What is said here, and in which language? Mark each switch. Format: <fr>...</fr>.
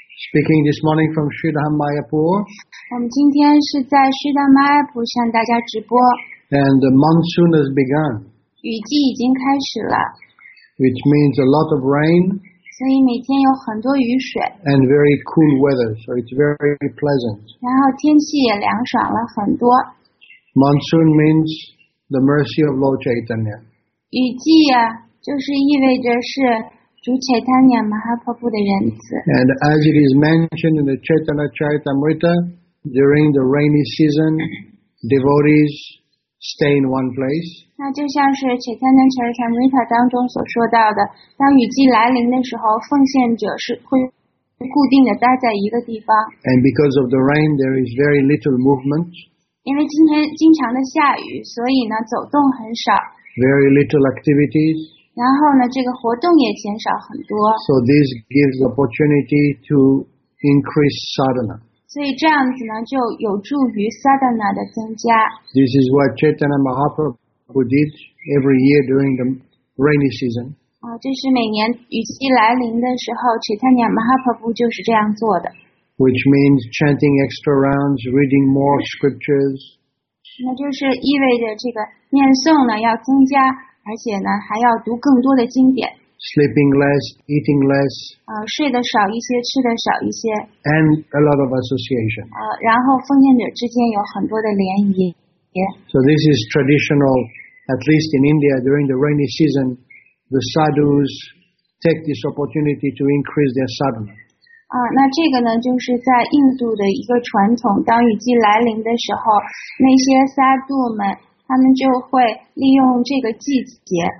<en>Speaking this morning from Sri Dhammayapur.</en> <zh>我们今天是在 Sri Dhammayapur 向大家直播。</zh> <en>And the monsoon has begun.</en> <zh>雨季已经开始了。</zh> <en>Which means a lot of rain.</en> <zh>所以每天有很多雨水。</zh> <en>And very cool weather, so it's very pleasant.</en> <zh>然后天气也凉爽了很多。</zh> <en>Monsoon means the mercy of Lord Chaitanya.</en> <zh>雨季啊，就是意味着是主 Chaitanya Mahaprabhu 的仁慈。</zh> <en>And as it is mentioned in the Chaitanya Charitamrita, during the rainy season, devotees stay in one place.</en> <zh>那就像是 Chaitanya Charitamrita 当中所说到的，当雨季来临的时候，奉献者是会固定的待在一个地方。</zh> <en>And because of the rain, there is very little movement.</en> <zh>因为今天经常的下雨，所以呢走动很少。</zh> <en>Very little activities.</en> <zh>然后呢，这个活动也减少很多。</zh> <en>So this gives opportunity to increase sadhana.</en> <zh>所以这样子呢，就有助于 sadhana 的增加。</zh> <en>This is what Chaitanya Mahaprabhu did every year during the rainy season.</en> <zh>啊，这是每年雨季来临的时候 ，Chaitanya Mahaprabhu 就是这样做的。</zh> <en>Which means chanting extra rounds, reading more scriptures.</en> <zh>那就是意味着这个念诵呢要增加，而且呢还要读更多的经典。</zh> <en>Sleeping less, eating less.</en> <zh>睡得少一些，吃得少一些。</zh> <en>And a lot of association.</en> <zh>然后奉献者之间有很多的联谊。</zh> <en>So this is traditional, at least in India during the rainy season, the sadhus take this opportunity to increase their sadhana.</en> <zh>那这个呢，就是在印度的一个传统。当雨季来临的时候，那些萨杜们，他们就会利用这个季节。</zh>